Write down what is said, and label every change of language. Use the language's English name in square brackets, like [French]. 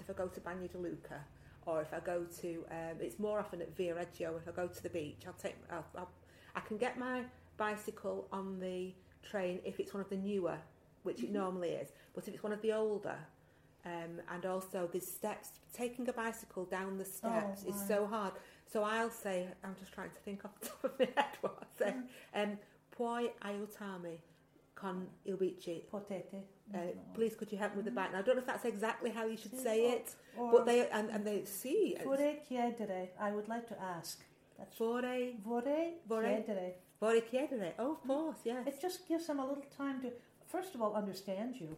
[English] If I go to Bagno di Luca, or if I go to, it's more often at Via Reggio, if I go to the beach, I can get my bicycle on the train if it's one of the newer, which it normally is. But if it's one of the older, and also the steps, taking a bicycle down the steps is so hard. So I'll say, I'm just trying to think off the top of my head what I'll say. [Italian] Puoi aiutarmi con il bici? Potete. [English] Please, could you help me with the bike? Now, I don't know if that's exactly how you should say it, or but they, and they see. [Italian] Vorrei chiedere, [English] I would like to ask. [Italian] Vorrei chiedere. [English] Oh, of course, yes. It just gives them a little time to, first of all, understand you.